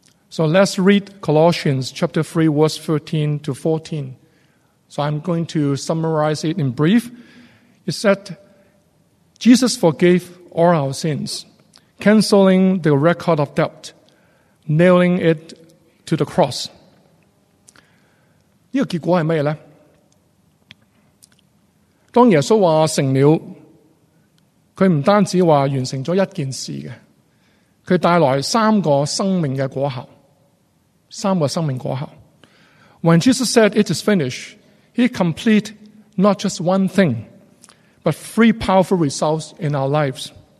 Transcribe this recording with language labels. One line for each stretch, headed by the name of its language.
English: So let's read Colossians chapter 3 verse 13 to 14. So I'm going to summarize it in brief. It said, Jesus forgave all our sins, canceling the record of debt, nailing it to the cross.
Chinese: 这个结果是什么呢？当耶稣说成了，他不单止说完成了一件事，他带来三个生命的果效。三个生命果效。
English: When Jesus said it is finished, he complete not just one thing, but three powerful results in our lives.